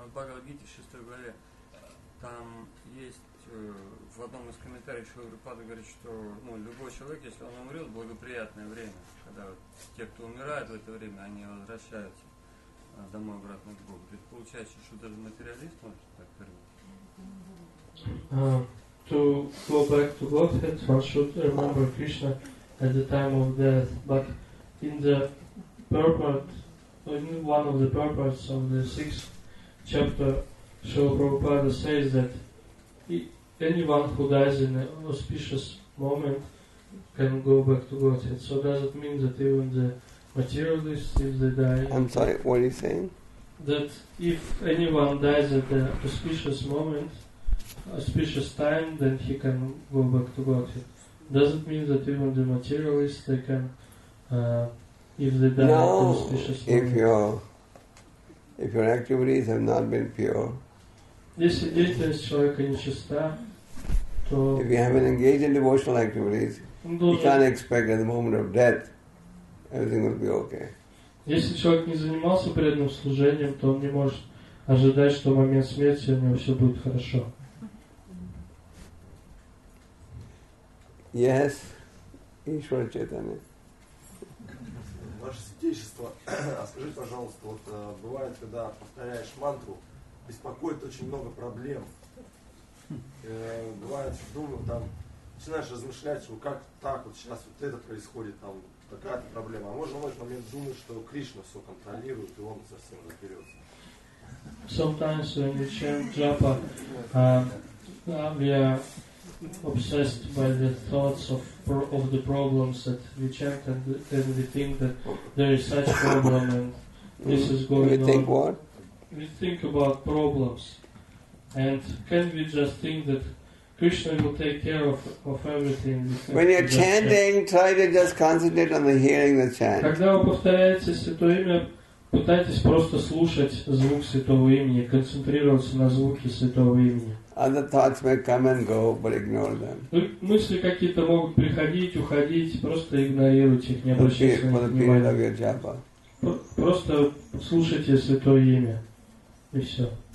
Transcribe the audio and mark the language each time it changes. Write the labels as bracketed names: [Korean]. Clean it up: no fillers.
[Russian] Вот Бхагавад-гите, 6 главе, там есть в одном из комментариев Шрила Прабхупада говорит, что ну, любой человек, если он умрет, благоприятное время, когда вот те, кто умирают в это время, они возвращаются домой обратно к Богу. То есть получается, что даже материалист может так вернуться. [English] To go back to Godhead, one should remember Krishna at the time of death, but in the purpose. In one of the purports of the sixth chapter, Srila Prabhupada says that anyone who dies in an auspicious moment can go back to Godhead. So does it mean that even the materialists, if they die... I'm sorry, what are you saying? That if anyone dies at an auspicious moment, auspicious time, then he can go back to Godhead. Does it mean that even the materialists, they can... If your activities have not been pure, if you haven't engaged in devotional activities, He can't expect at the moment of death everything will be okay. [Russian] Если человек не занимался преданным служением, то он не может ожидать, что в момент смерти у него все будет хорошо. [English] Yes, Ishvara Chaitanya. [Russian] Ваше святейшество, скажите, пожалуйста, вот бывает, когда повторяешь мантру, беспокоит очень много проблем. Бывает, думаю, там начинаешь размышлять, что как так вот сейчас вот это происходит, там такая-то проблема. А можно в этот момент думать, что Кришна все контролирует, и он совсем разберется. [English] Sometimes when you chant japa, we are obsessed by the thoughts of the problems that we chant, and then we think that there is such a problem and this is going We think what? We think about problems. And can we just think that Krishna will take care of everything? When you're chanting, try to just concentrate on the hearing the chant. [Russian] Когда вы повторяете святое имя, пытайтесь просто слушать звук святого имени, концентрироваться на звуке святого имени. [English] Other thoughts may come and go, but ignore them. [Russian] Мысли какие-то могут приходить, уходить, просто игнорируйте их, не обращайте на них внимания. Просто слушайте святое имя, и все.